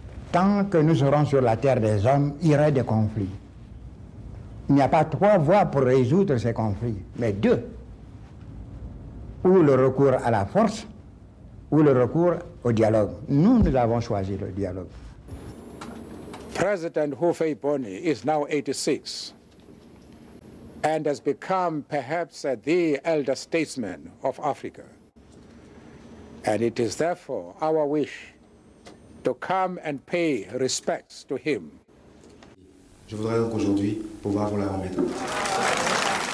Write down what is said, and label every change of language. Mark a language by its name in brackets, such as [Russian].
[French] Tant que nous serons sur la terre des hommes, il y aura des conflits. Il n'y a pas trois voies pour résoudre ces conflits, mais deux. Ou le recours à la force, ou le recours au dialogue. Nous, nous avons choisi le dialogue. [English] President Houphouet Boigny is now 86 and has become perhaps the elder statesman of Africa. And it is therefore our wish to come and pay respects to him. [French] Je voudrais donc aujourd'hui pouvoir vous la remettre.